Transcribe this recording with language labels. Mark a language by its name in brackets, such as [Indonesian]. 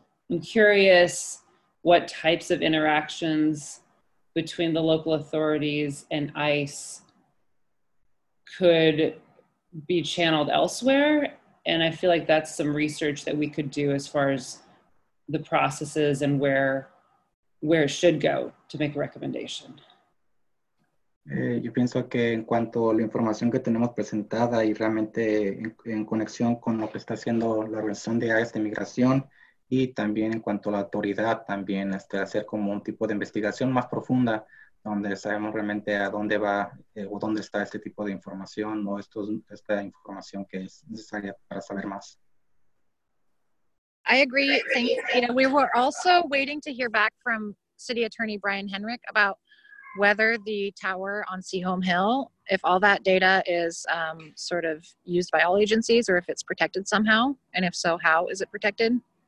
[English] I'm curious what types of interactions between the local authorities and ICE could be channeled elsewhere. And I feel like that's some research that we could do as far as the processes and where it should go to make a recommendation. [Spanish] Yo pienso que en cuanto a la información que tenemos presentada y realmente en conexión con lo que está haciendo la organización de ICE de migración y también en cuanto a la autoridad también hacer como un tipo de investigación más profunda donde sabemos realmente a dónde va o dónde está este tipo de información o esta información que es necesaria para saber más. [English] I agree. Thank you. You know, we were also waiting to hear back from City Attorney Brian Henrich about whether the tower on Sehome Hill, if all that data is sort of used by all agencies or if it's protected somehow, and if so, how is it protected?